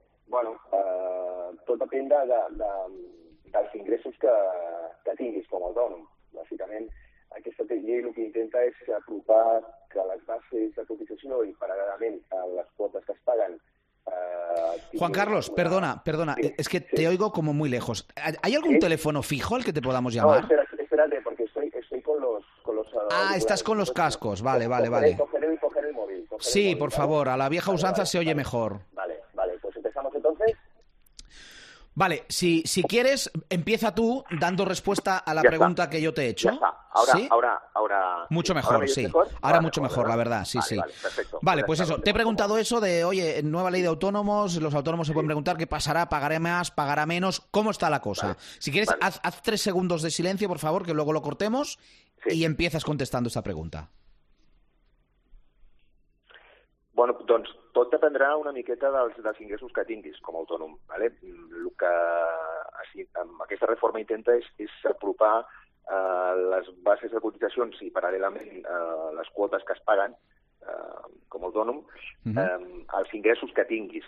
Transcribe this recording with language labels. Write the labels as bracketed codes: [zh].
[ca] Bueno, tot depèn dels ingressos que tinguis com a autònom. Bàsicament, aquesta llei el que intenta és apropar que les bases de cotització i paral·lelament a les quotes que es paguen... [es] Juan Carlos, perdona, sí, es que sí. Te oigo como muy lejos. ¿Hay algún ¿Sí? teléfono fijo al que te podamos llamar? No, espérate, porque estoy con los... Estás con los cascos, vale. Coger el móvil. Sí, por favor, a la vieja usanza se oye mejor. Vale, pues empezamos entonces. Vale, si quieres, empieza tú dando respuesta a la pregunta que yo te he hecho. Ya está. Ahora. Mucho mejor, sí. Ahora mucho mejor, la verdad, sí, sí. Vale, pues eso. Te he preguntado eso de, oye, nueva ley de autónomos, los autónomos se pueden preguntar qué pasará, pagará más, pagará menos, ¿cómo está la cosa? Si quieres, haz 3 segundos de silencio, por favor, que luego lo cortemos y empiezas contestando esta pregunta. [ca] Bueno, doncs tot dependrà una miqueta dels ingressos que tinguis com a autònom. ¿Vale? El que amb aquesta reforma intenta és apropar les bases de cotitzacions i paral·lelament les quotes que es paguen com a autònom als ingressos que tinguis.